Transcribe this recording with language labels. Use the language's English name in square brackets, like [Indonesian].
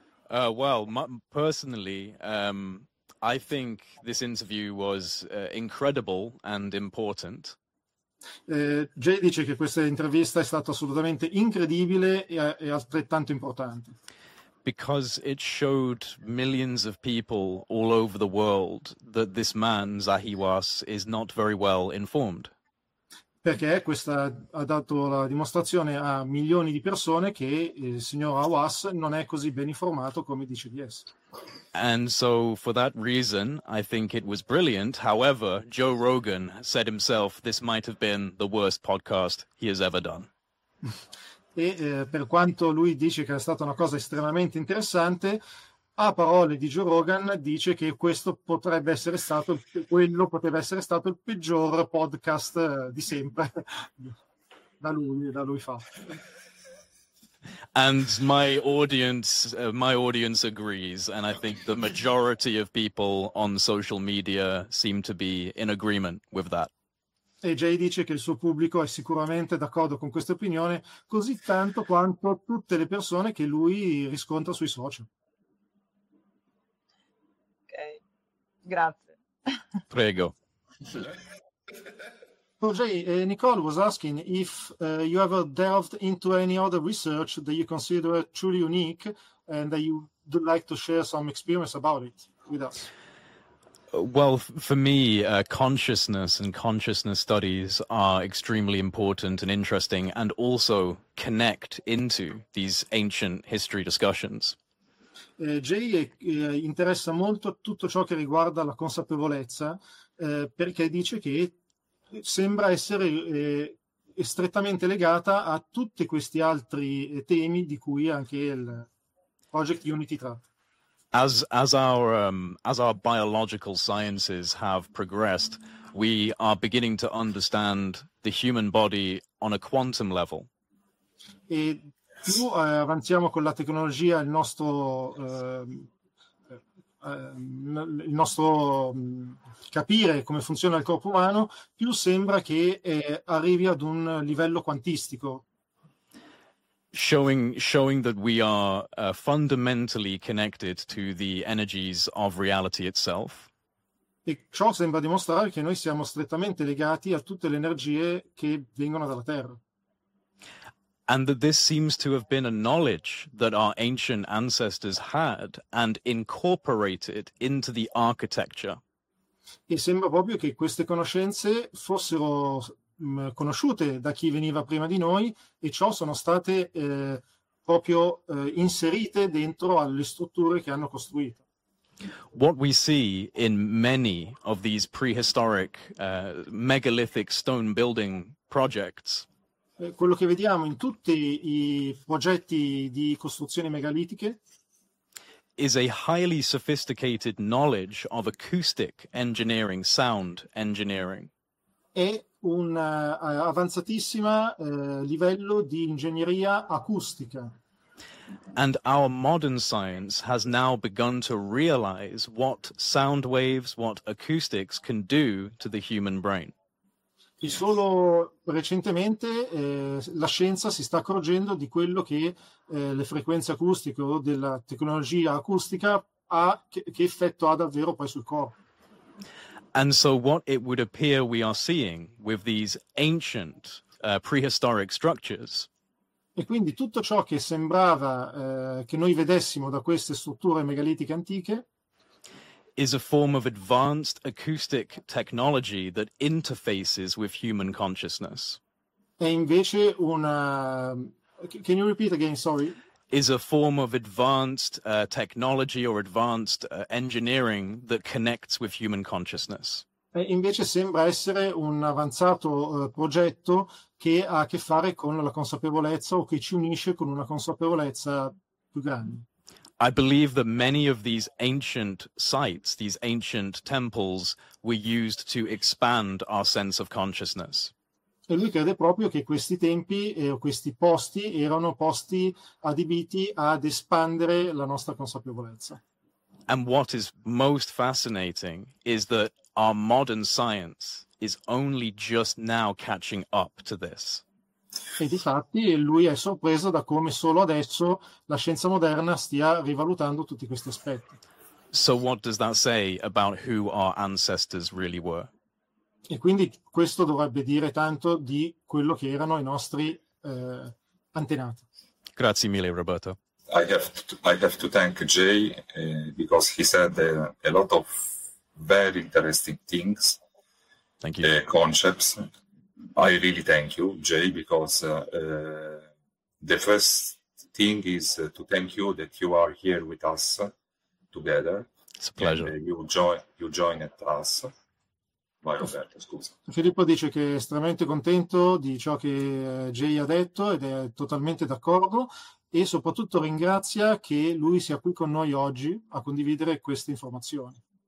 [English] Well, personally, I think this interview was incredible and important. [Italian] Jay dice che questa intervista è stata assolutamente incredibile e altrettanto importante. [English] Because it showed millions of people all over the world that this man, Zaki Hawass, is not very well informed. [Italian] Perché questa ha dato la dimostrazione a milioni di persone che il signor Hawass non è così ben informato come dice di essere. [English] And so for that reason I think it was brilliant. However, Joe Rogan said himself this might have been the worst podcast he has ever done. [Italian] E per quanto lui dice che è stata una cosa estremamente interessante, a parole di Joe Rogan dice che questo potrebbe essere stato quello potrebbe essere stato il peggior podcast di sempre da lui fa. [English] And my audience agrees, and I think the majority of people on social media seem to be in agreement with that. [Italian] E Jay dice che il suo pubblico è sicuramente d'accordo con questa opinione, così tanto quanto tutte le persone che lui riscontra sui social. Ok, grazie. Prego. [English] Jay, Nicole was asking if you ever delved into any other research that you consider truly unique and that you would like to share some experience about it with us. Well, for me, consciousness and consciousness studies are extremely important and interesting, and also connect into these ancient history discussions. [Italian] Jay interessa molto tutto ciò che riguarda la consapevolezza, perché dice che sembra essere strettamente legata a tutti questi altri temi di cui anche il Project Unity tratta. [English] As our biological sciences have progressed, we are beginning to understand the human body on a quantum level. [Italian] E più avanziamo con la tecnologia, il nostro capire come funziona il corpo umano, più sembra che arrivi ad un livello quantistico. [English] Showing that we are fundamentally connected to the energies of reality itself. [Italian] E ciò sembra dimostrare che noi siamo strettamente legati a tutte le energie che vengono dalla Terra. [English] And that this seems to have been a knowledge that our ancient ancestors had and incorporated into the architecture. [Italian] E sembra proprio che queste conoscenze fossero conosciute da chi veniva prima di noi e ciò sono state proprio inserite dentro alle strutture che hanno costruito. [English] What we see in many of these prehistoric megalithic stone building projects. [Italian] Quello che vediamo in tutti i progetti di costruzioni megalitiche [English] is a highly sophisticated knowledge of acoustic engineering, sound engineering. [Italian] È un avanzatissimo livello di ingegneria acustica. [English] And our modern science has now begun to realize what sound waves, what acoustics can do to the human brain. [Italian] E solo recentemente la scienza si sta accorgendo di quello che le frequenze acustiche o della tecnologia acustica ha, che effetto ha davvero poi sul corpo. [English] And so what it would appear we are seeing with these ancient prehistoric structures. [Italian] E quindi tutto ciò che sembrava che noi vedessimo da queste strutture megalitiche antiche [English] is a form of advanced acoustic technology that interfaces with human consciousness. [Italian] È invece una... [English] Can you repeat again, sorry? Is a form of advanced technology or advanced engineering that connects with human consciousness. [Italian] E invece sembra essere un avanzato progetto che ha a che fare con la consapevolezza o che ci unisce con una consapevolezza più grande. [English] I believe that many of these ancient sites, these ancient temples, were used to expand our sense of consciousness. [Italian] E lui crede proprio che questi tempi e questi posti erano posti adibiti ad espandere la nostra consapevolezza. [English] And what is most fascinating is that our modern science is only just now catching up to this. [Italian] E difatti lui è sorpreso da come solo adesso la scienza moderna stia rivalutando tutti questi aspetti. [English] So what does that say about who our ancestors really were? [Italian] E quindi questo dovrebbe dire tanto di quello che erano i nostri antenati. Grazie mille, Roberto. [English] I have to thank Jay because he said a lot of very interesting things. Thank you. Concepts. I really thank you, Jay, because the first thing is to thank you that you are here with us together. It's a pleasure. And, you join at us. [Italian] Vai, Roberto, scusa. Filippo dice che è estremamente contento di ciò che Jay ha detto ed è totalmente d'accordo e soprattutto ringrazia che lui sia qui con noi oggi a condividere queste informazioni.